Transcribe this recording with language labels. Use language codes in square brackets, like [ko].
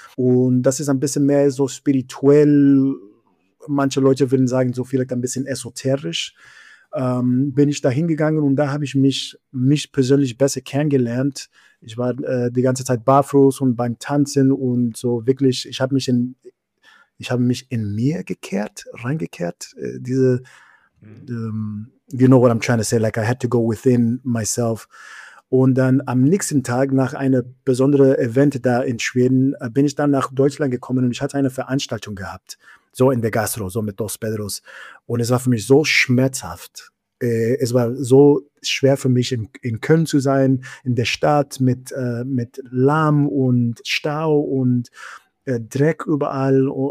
[de] Und das ist ein bisschen mehr so spirituell, manche Leute würden sagen, so vielleicht ein bisschen esoterisch. Bin ich da hingegangen und da habe ich mich persönlich besser kennengelernt. Ich war die ganze Zeit barfuß und beim Tanzen und so wirklich, ich habe mich in mir gekehrt, reingekehrt. [en] You know what I'm trying to say, like I had to go within myself. [de] Und dann am nächsten Tag nach einem besonderen Event da in Schweden, bin ich dann nach Deutschland gekommen und ich hatte eine Veranstaltung gehabt. So in der Gastro, so mit Dos Pedros. Und es war für mich so schmerzhaft. Es war so schwer für mich, in Köln zu sein, in der Stadt mit Lärm und Stau und Dreck überall.